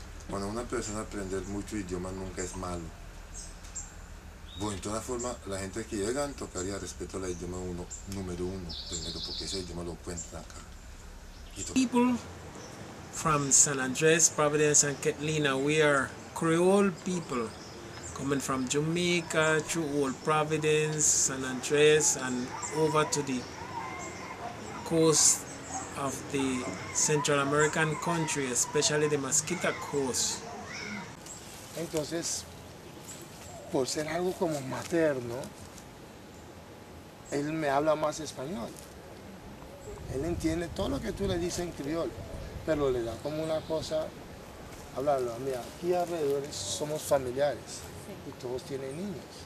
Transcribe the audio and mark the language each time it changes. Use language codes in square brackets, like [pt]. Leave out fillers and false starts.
[es] Cuando una persona aprende mucho idioma nunca es malo. Bueno, en toda forma, la gente que llega tocaría respeto al idioma uno, número uno, primero, porque ese idioma lo cuentan acá. [en] People from San Andrés, Providence, and Catalina, we are creole people coming from Jamaica, through old Providence, San Andrés, and over to the coast of the Central American country, especially the Mosquito Coast. [es] Entonces, por ser algo como materno, él me habla más español. Él entiende todo lo que tú le dices en criol, pero le da como una cosa hablarlo. Mira, aquí alrededor somos familiares y todos tienen niños.